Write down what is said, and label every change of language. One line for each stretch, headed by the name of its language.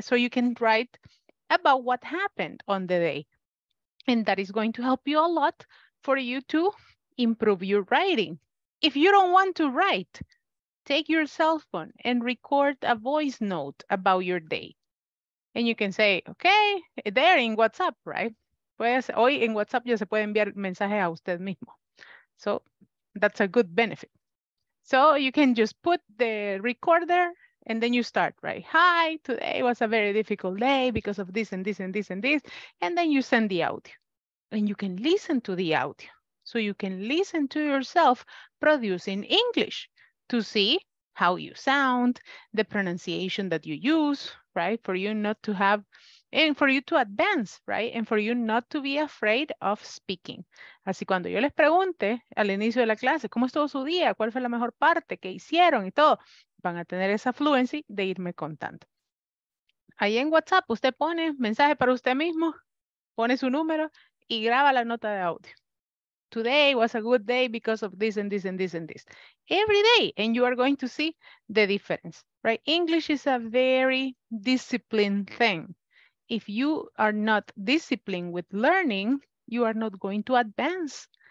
English: So you can write about what happened on the day. And that is going to help you a lot for you to improve your writing. If you don't want to write, take your cell phone and record a voice note about your day. And you can say, okay, there in WhatsApp, right?
Spanish: Pues, hoy en WhatsApp ya se puede enviar mensaje a usted mismo.
English: So that's a good benefit. So you can just put the recorder and then you start, right? Hi, today was a very difficult day because of this and this and this and this. And then you send the audio. And you can listen to the audio. So you can listen to yourself producing English to see how you sound, the pronunciation that you use, right? For you not to have, and for you to advance, right? And for you not to be afraid of speaking.
Spanish: Así cuando yo les pregunte al inicio de la clase, ¿cómo estuvo su día? ¿Cuál fue la mejor parte? ¿Qué hicieron? Y todo. Van a tener esa fluency de irme contando. Ahí en WhatsApp usted pone mensaje para usted mismo, pone su número y graba la nota de audio.
English: Today was a good day because of this and this and this and this. Every day, and you are going to see the difference, right? English is a very disciplined thing. If you are not disciplined with learning, you are not going to advance.